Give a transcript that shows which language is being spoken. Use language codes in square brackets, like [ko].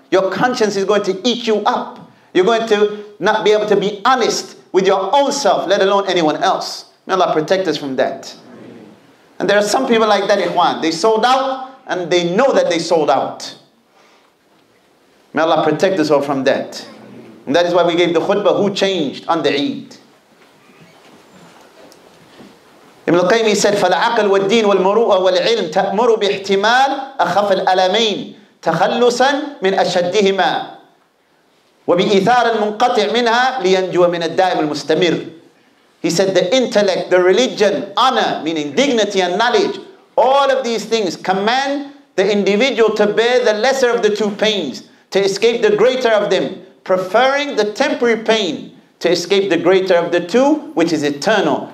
[en] Your conscience is going to eat you up. You're going to not be able to be honest with your own self, let alone anyone else. May Allah protect us from that. And there are some people like that, ikhwan. They sold out and they know that they sold out. May Allah protect us all from that. And that is why we gave the khutbah, who changed on the Eid. Ibn al-Qayyim said, [ar] فَالْعَقْلُ وَالدِّينُ وَالْمُرُوءَ وَالْعِلْمُ تَأْمُرُ بِإِحْتِمَالِ أَخَفَ الْأَلَمَيْنِ تَخَلُّسًا مِنْ أَشَدِّهِمَا وَبِإِثَارَ الْمُنْقَطِعِ مِنْهَا لِيَنْجُوَ مِنَ الدَّائِمِ الْمُسْتَمِرِ. [en] He said, the intellect, the religion, honor, meaning dignity and knowledge, all of these things command the individual to bear the lesser of the two pains, to escape the greater of them, preferring the temporary pain to escape the greater of the two, which is eternal.